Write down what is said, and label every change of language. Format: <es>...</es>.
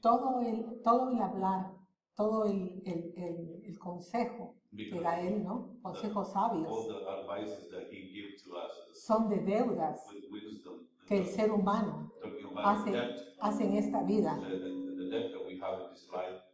<es>Todo el hablar, todo el consejo que da él, ¿no? Consejos sabios.</es> <en>All the advice that he gave to us.</en> <es>Son de deudas</es> <en>with wisdom,</en> <es>que el ser humano hace en esta vida.</es> <en>The debt that we have in this life.</en>